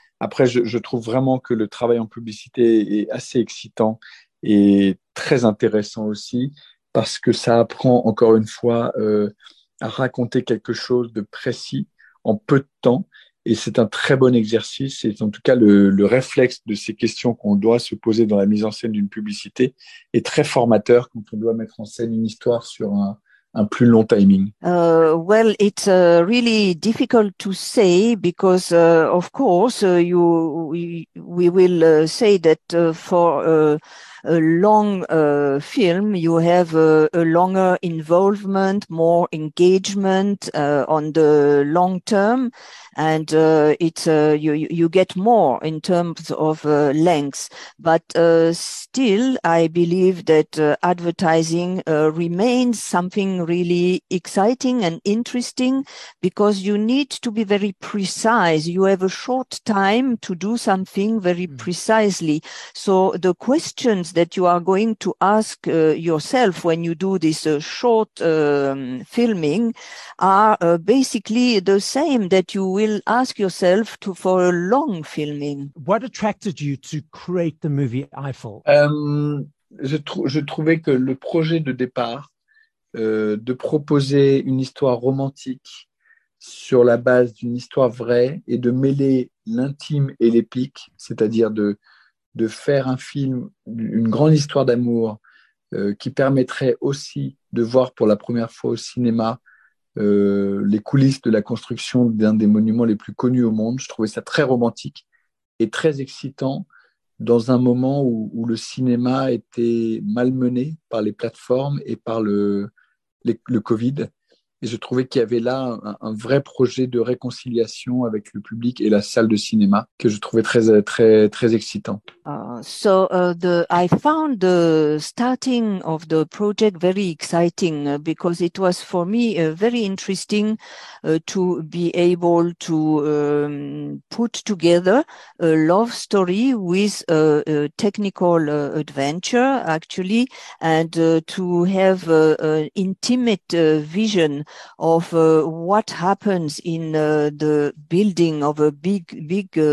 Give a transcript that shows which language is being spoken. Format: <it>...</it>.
<fr>Après, je trouve vraiment que le travail en publicité est assez excitant et très intéressant aussi, parce que ça apprend encore une fois à raconter quelque chose de précis en peu de temps. Et c'est un très bon exercice. Et en tout cas, le réflexe de ces questions qu'on doit se poser dans la mise en scène d'une publicité est très formateur quand on doit mettre en scène une histoire sur un plus long timing.</fr> <en>Well, it's really difficult to say because, of course, we will say that for a long film, you have a longer involvement, more engagement on the long term, and it's you get more in terms of length. But still, I believe that advertising remains something really exciting and interesting because you need to be very precise. You have a short time to do something very precisely. So the questions that you are going to ask yourself when you do this short filming are basically the same that you will ask yourself for a long filming. What attracted you to create the movie Eiffel?</en> <fr>Je trouvais que le projet de départ de proposer une histoire romantique sur la base d'une histoire vraie et de mêler l'intime et l'épique, c'est-à-dire de faire un film, une grande histoire d'amour qui permettrait aussi de voir pour la première fois au cinéma les coulisses de la construction d'un des monuments les plus connus au monde. Je trouvais ça très romantique et très excitant dans un moment où le cinéma était malmené par les plateformes et par le Covid. Et je trouvais qu'il y avait là un vrai projet de réconciliation avec le public et la salle de cinéma que je trouvais très très très excitant.</fr> <en>I found the starting of the project very exciting because it was for me very interesting to be able to put together a love story with a technical adventure actually and to have an intimate vision of what happens in the building of a big</en>